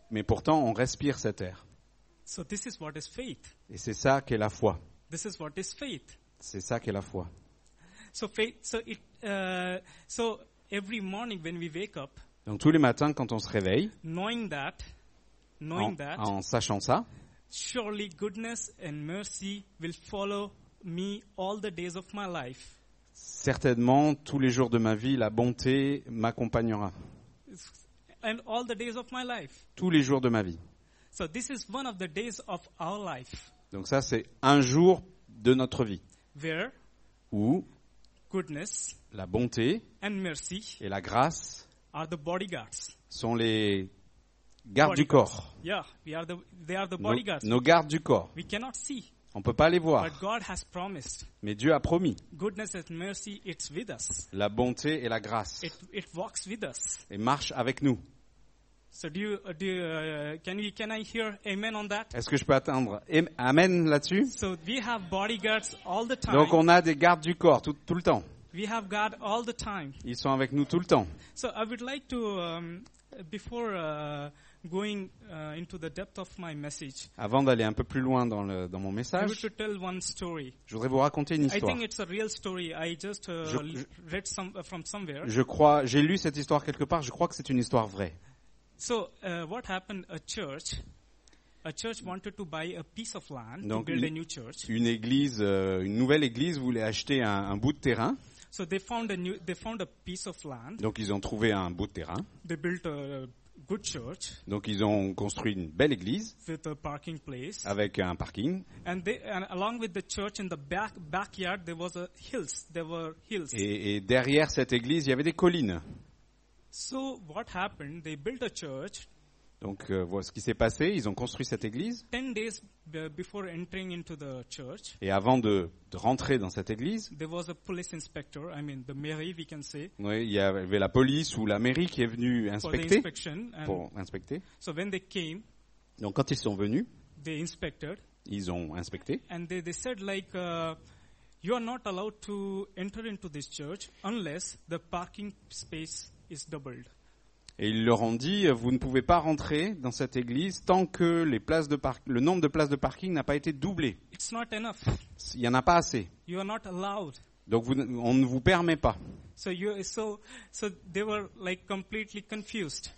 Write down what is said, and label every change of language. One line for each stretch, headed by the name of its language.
French: Mais pourtant on respire cet air.
English: So this is what is faith.
French: Et c'est ça qu'est la foi.
English: This is what is faith.
French: C'est ça qu'est la foi.
English: So faith. So it. So every morning when we wake up.
French: Donc tous les matins quand on se réveille.
English: Knowing that.
French: En sachant ça.
English: Surely goodness and mercy will follow me all the days of my life.
French: Certainement tous les jours de ma vie la bonté m'accompagnera.
English: And all the days of my life.
French: Tous les jours de ma vie.
English: So this is one of the days of our life.
French: Donc ça c'est un jour de notre vie.
English: Where?
French: Où?
English: Goodness.
French: La bonté.
English: And mercy.
French: Et la grâce.
English: Are the bodyguards.
French: Sont les gardes
English: bodyguards.
French: Du corps.
English: Yeah, they are the bodyguards.
French: Nos gardes du corps.
English: We cannot see.
French: On peut pas les voir.
English: But God has promised.
French: Mais Dieu a promis.
English: Goodness and mercy, it's with us.
French: La bonté et la grâce.
English: It walks with us.
French: Et marche avec nous.
English: So do you can I hear amen on that?
French: Est-ce que je peux atteindre amen là-dessus?
English: So we have bodyguards all the time.
French: Donc on a des gardes du corps tout le temps.
English: We have God all the time.
French: Ils sont avec nous tout le temps.
English: So I would like to before going into the depth of my message.
French: Avant d'aller un peu plus loin dans mon message.
English: I would like to tell one story.
French: Je voudrais vous raconter une histoire.
English: I think it's a real story. I just read some from somewhere.
French: J'ai lu cette histoire quelque part. Je crois que c'est une histoire vraie.
English: So what happened? A church wanted to buy a piece of land
French: Donc,
English: to build a new church.
French: Une église, une nouvelle église voulait acheter un bout de terrain.
English: So they found a piece of land.
French: Donc ils ont trouvé un bout de terrain.
English: They built a good church.
French: Donc ils ont construit une belle église.
English: With a parking place.
French: Avec un parking.
English: And along with the church in the backyard there was a hills. There were hills.
French: Et derrière cette église, il y avait des collines.
English: So what happened? They built a church.
French: Donc voilà ce qui s'est passé, ils ont construit cette église.
English: 10 days before entering into the church.
French: Et avant de rentrer dans cette église,
English: there was a police inspector, I mean the mairie we can say.
French: Oui, il y avait la police ou la mairie qui est venue inspecter. Pour inspecter.
English: So when they came.
French: Donc quand ils sont venus,
English: they inspected.
French: Ils ont inspecté.
English: And they said like you are not allowed to enter into this church unless the parking space is doubled.
French: Et ils leur ont dit, vous ne pouvez pas rentrer dans cette église tant que les places de le nombre de places de parking n'a pas été doublé.
English: It's not enough.
French: Il n'y en a pas assez.
English: You are not allowed.
French: Donc on ne vous permet pas.
English: So they were like completely confused.